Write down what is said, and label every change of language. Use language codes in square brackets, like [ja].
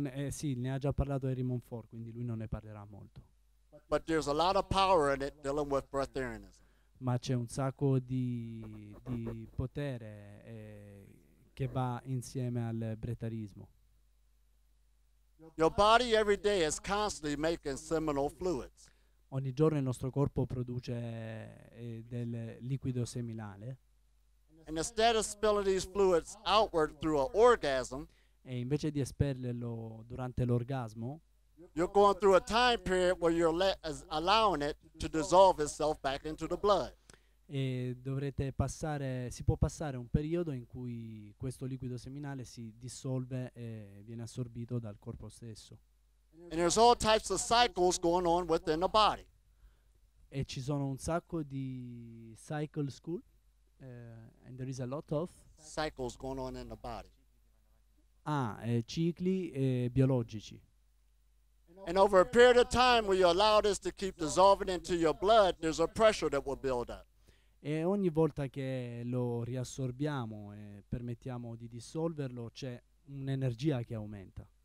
[it] Sì, ne ha già parlato Henry Moffert, quindi lui non ne parlerà molto. [en] But there's a lot of power in it dealing with breatharianism. [it] Ma c'è un sacco di potere che va insieme al breatharismo. [en] Your body every day is constantly making seminal fluids. [it] Ogni giorno il nostro corpo produce del liquido seminale. [en] And instead of spilling these fluids outward through an orgasm. [it] E invece di espellerlo durante l'orgasmo, [en] you're going through a time period where you're allowing it to dissolve itself back into the blood. [it] E dovrete passare, si può passare un periodo in cui questo liquido seminale si dissolve e viene assorbito dal corpo stesso. [en] And there's all types of cycles going on within the body. [it] E ci sono un sacco di cycle school, [en] and there is a lot of cycles going on in the body. [it] Ah, cicli biologici. [en] And over a period of time, when you allow this to keep dissolving into your blood, there's a pressure that will build up. [it] E ogni volta che lo riassorbiamo e permettiamo di dissolverlo, c'è un'energia che aumenta.